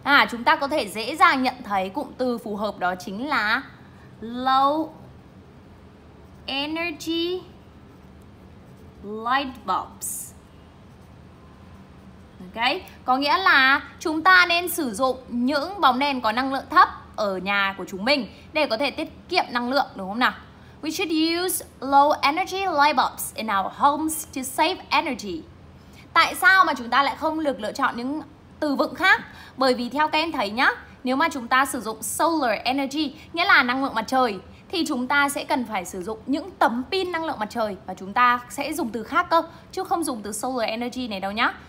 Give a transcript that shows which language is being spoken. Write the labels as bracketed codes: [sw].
[vi] Chúng ta có thể dễ dàng nhận thấy cụm từ phù hợp đó chính là low energy light bulbs. Ok, có nghĩa là chúng ta nên sử dụng những bóng đèn có năng lượng thấp ở nhà của chúng mình để có thể tiết kiệm năng lượng, đúng không nào? [en] We should use low energy light bulbs in our homes to save energy. [vi] Tại sao mà chúng ta lại không được lựa chọn những từ vựng khác? Bởi vì theo các em thấy nhá, nếu mà chúng ta sử dụng solar energy, nghĩa là năng lượng mặt trời, thì chúng ta sẽ cần phải sử dụng những tấm pin năng lượng mặt trời, và chúng ta sẽ dùng từ khác cơ, chứ không dùng từ solar energy này đâu nhá.